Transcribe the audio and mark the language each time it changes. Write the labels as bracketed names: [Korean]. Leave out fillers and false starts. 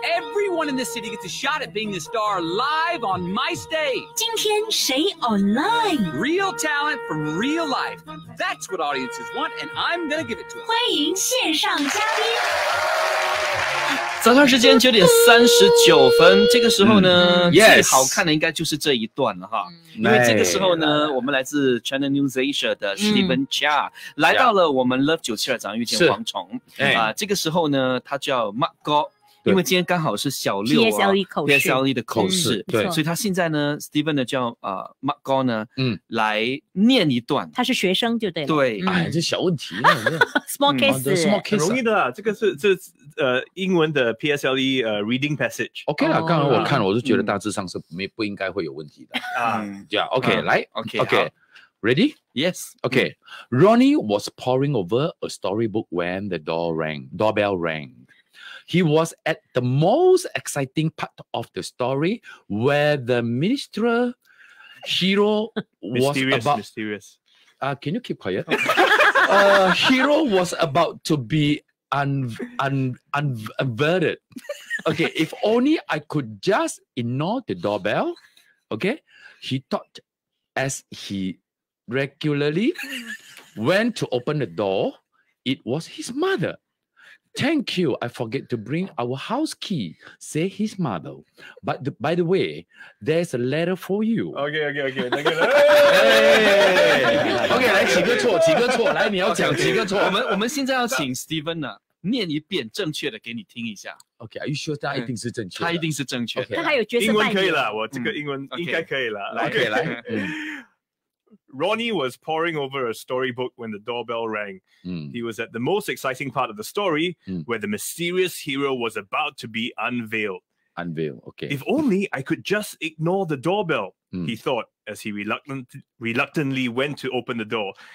[English] Everyone in the city gets a shot at being the star live on my stage. [Chinese] 今天谁 online? [English] Real talent from real life. That's what audiences want, and I'm gonna give it to them. [Chinese] 欢迎线上嘉宾。早上时间9:39，这个时候呢，最好看的应该就是这一段了哈。因为这个时候呢，我们来自 China News Asia 的 Stephen Chia 来到了我们 Love 972，早上遇见蝗虫。这个时候呢，他叫 Mark 哥，因为今天刚好是小六啊 [English] PSLE [Chinese] 的口试，对，所以他现在呢 Steven 呢叫Mark Gaw 呢来念一段，他是学生就对了，对，哎，这小问题呢 [English] small case small case [Chinese] 容易的啦，这个是这英文的 PSLE [English] reading passage [Chinese] OK 啦，刚刚我看了我就觉得大致上是不应该会有问题的啊， OK 来 [English] OK Ready? Yes. Okay. Ronnie was poring over a storybook when the doorbell rang. He was at the most exciting part of the story where the ministerial hero was about... Mysterious. Can you keep quiet? hero was about to be unverted. Okay. If only I could just ignore the doorbell. Okay. He thought as he regularly went to open the door, it was his mother. Thank you, I forget to bring our house key, say his mother. But by the way, there's a letter for you. Okay, [Chinese] 来几个错，几个错，来你要讲几个错。我们现在要请 Steven 呢念一遍正确的给你听一下。 [English] Okay, are you sure that [Chinese] 一定是正确的？他一定是正确的。他还有角色英文可以了，我这个英文应该可以了。 Okay, 来。 [English] Ronnie was poring over a storybook when the doorbell rang. He was at the most exciting part of the story, where the mysterious hero was about to be unveiled. Unveiled, okay. If only I could just ignore the doorbell, he thought, as he reluctantly went to open the door.